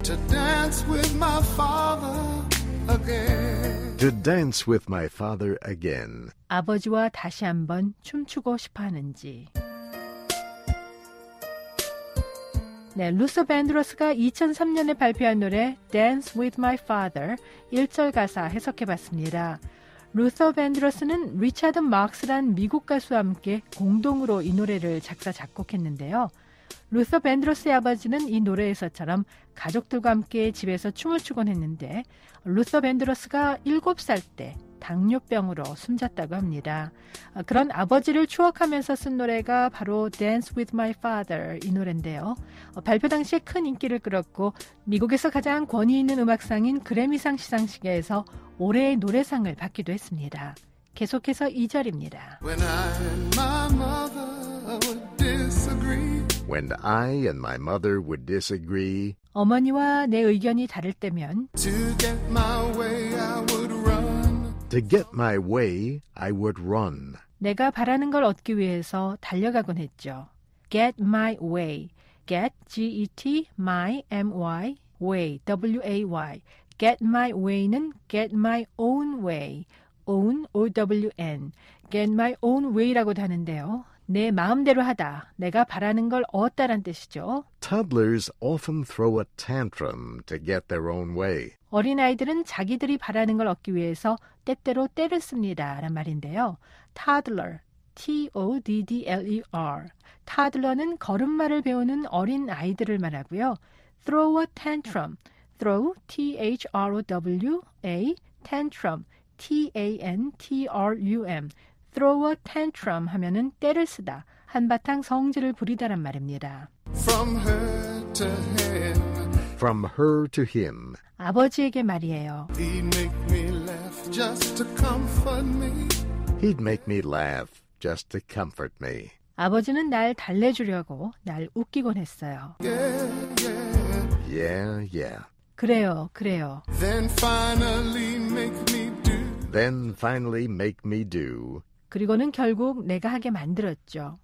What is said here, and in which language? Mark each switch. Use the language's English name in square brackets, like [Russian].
[English] To dance with my father again. To dance with my father again. [Korean] 아버지와 다시 한번 춤추고 싶어 하는지. 네, 루서 밴드로스가 2003년에 발표한 노래 Dance with my father 1절 가사 해석해봤습니다. 루서 밴드로스는 리차드 마크스란 미국 가수와 함께 공동으로 이 노래를 작사 작곡했는데요. 루서 밴드로스의 아버지는 이 노래에서처럼 가족들과 함께 집에서 춤을 추곤 했는데 루서 밴드로스가 7살 때 당뇨병으로 숨졌다고 합니다. 그런 아버지를 추억하면서 쓴 노래가 바로 Dance with my father 이 노래인데요. 발표 당시에 큰 인기를 끌었고 미국에서 가장 권위 있는 음악상인 그래미상 시상식에서 올해의 노래상을 받기도 했습니다. 계속해서 2절입니다. [English] When I and my mother would disagree. When I and my mother would disagree. [Korean] 어머니와 내 의견이 다를 때면 [English] To get my way I would run. To get my way, I would run. [Korean] 내가 바라는 걸 얻기 위해서 달려가곤 했죠. [English] Get my way. Get, G-E-T, my, M-Y, way, W-A-Y. Get my way는 get my own way. Own, O-W-N. [Korean] Get my own way라고도 하는데요. 내 마음대로 하다, 내가 바라는 걸 얻다란 뜻이죠. [English] Toddlers often throw a tantrum to get their own way. [Korean] 어린아이들은 자기들이 바라는 걸 얻기 위해서 때때로 때를 씁니다. 라는 말인데요. [English] Toddler, T-O-D-D-L-E-R. [Korean] Toddler는 걸음마를 배우는 어린아이들을 말하고요. [English] Throw a tantrum, throw, T-H-R-O-W-A, tantrum, [Korean] T-A-N-T-R-U-M, throw a tantrum 하면은 때를 쓰다, 한바탕 성질을 부리다란 말입니다. [English] From her to him. From her to him. [Korean] 아버지에게 말이에요. [English] He'd make me laugh just to comfort me. He'd make me laugh just to comfort me. [Korean] 아버지는 날 달래주려고 날 웃기곤 했어요. [English] Yeah, yeah. Yeah, yeah. [Korean] 그래요, 그래요. [English] Then finally make me do. Then finally make me do. [Korean] 그리고는 결국 내가 하게 만들었죠.